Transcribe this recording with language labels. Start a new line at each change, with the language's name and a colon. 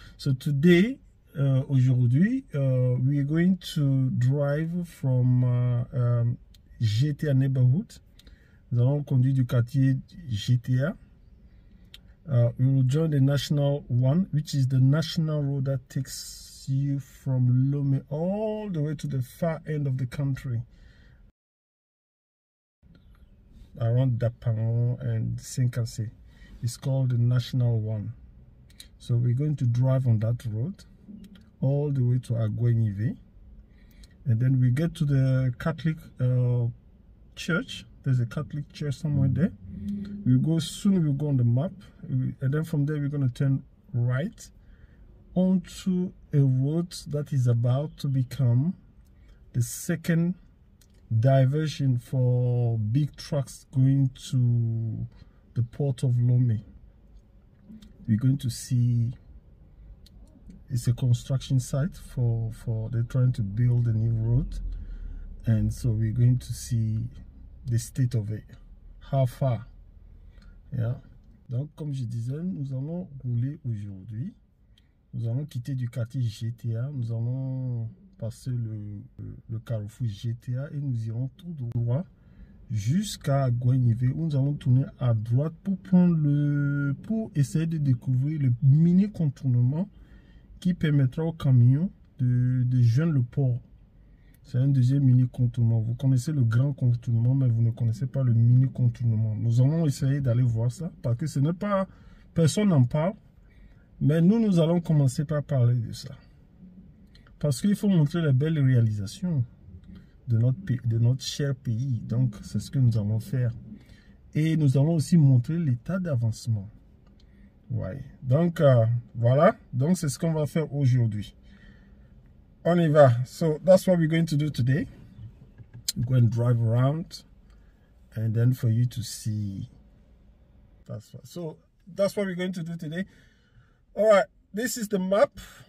English: So today,
French: aujourd'hui,
English: we're going to drive from GTA neighborhood.
French: Nous allons conduire du quartier GTA.
English: We will join the National One, which is the national road that takes you from Lome all the way to the far end of the country, around Dapaon and Sinkasi. It's called the National One. So we're going to drive on that road all the way to Agoènyivé. And then we get to the Catholic church. There's a Catholic church somewhere there. We'll go on the map, and then from there we're going to turn right onto a road that is about to become the second diversion for big trucks going to the Port of Lomé. We're going to see, it's a construction site for they're trying to build a new road, and so we're going to see the state of it, how far.
French: Donc, comme je disais, nous allons rouler aujourd'hui. Nous allons quitter du quartier GTA. Nous allons passer le carrefour GTA et nous irons tout droit jusqu'à Guignivé où nous allons tourner à droite pour prendre le pour essayer de découvrir le mini contournement qui permettra aux camions de joindre le port. C'est un deuxième mini contournement. Vous connaissez le grand contournement, mais vous ne connaissez pas le mini contournement. Nous allons essayer d'aller voir ça parce que ce n'est pas. Personne n'en parle. Mais nous allons commencer par parler de ça. Parce qu'il faut montrer les belles réalisations de notre cher pays. Donc, c'est ce que nous allons faire. Et nous allons aussi montrer l'état d'avancement. Donc, voilà. Donc, c'est ce qu'on va faire aujourd'hui. On y va.
English: So that's what we're going to do today. We're going to drive around and then for you to see. That's what we're going to do today. All right, this is the map.